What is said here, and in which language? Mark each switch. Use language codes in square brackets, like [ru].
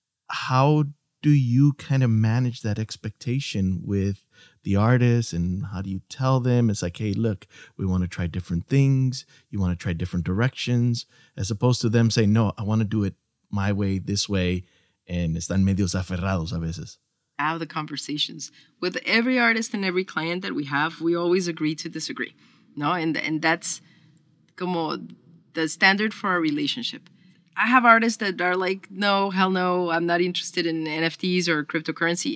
[en] How do you kind of manage that expectation with the artists and how do you tell them? It's like, hey, look, we want to try different things. You want to try different directions as opposed to them saying, no, I want to do it my way, this way. [es] And están medios aferrados a veces. [en] Have the conversations with every artist and every client that we have. We always agree to disagree, no? And that's [es] como [en] the standard for our relationship. I have artists that are like, no, hell no, I'm not interested in NFTs or cryptocurrency.